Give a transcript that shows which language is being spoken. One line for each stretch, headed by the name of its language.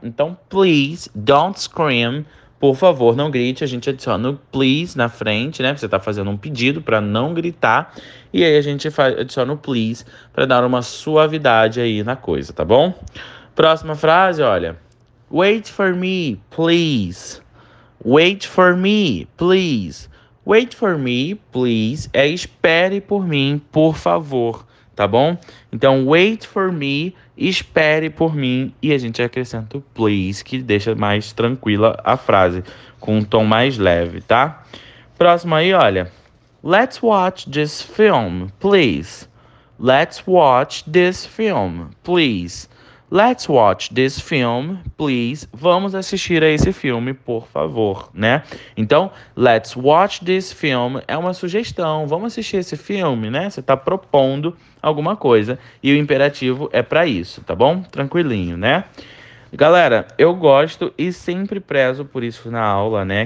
Portuguese: Então,
English: please don't scream.
Portuguese: Por favor, não grite. A gente adiciona o please na frente, né? Você tá fazendo um pedido para não gritar. E aí a gente adiciona o please para dar uma suavidade aí na coisa, tá bom? Próxima frase, olha.
English: Wait for me, please. Wait for me, please. Wait for me, please.
Portuguese: É espere por mim, por favor, tá bom? Então,
English: wait for me,
Portuguese: espere por mim. E a gente acrescenta o please, que deixa mais tranquila a frase, com um tom mais leve, tá? Próximo aí, olha.
English: Let's watch this film, please. Let's watch this film, please. Let's watch this film, please.
Portuguese: Vamos assistir a esse filme, por favor, né? Então,
English: let's watch this film
Portuguese: é uma sugestão. Vamos assistir esse filme, né? Você está propondo alguma coisa e o imperativo é para isso, tá bom? Tranquilinho, né? Galera, eu gosto e sempre prezo por isso na aula, né?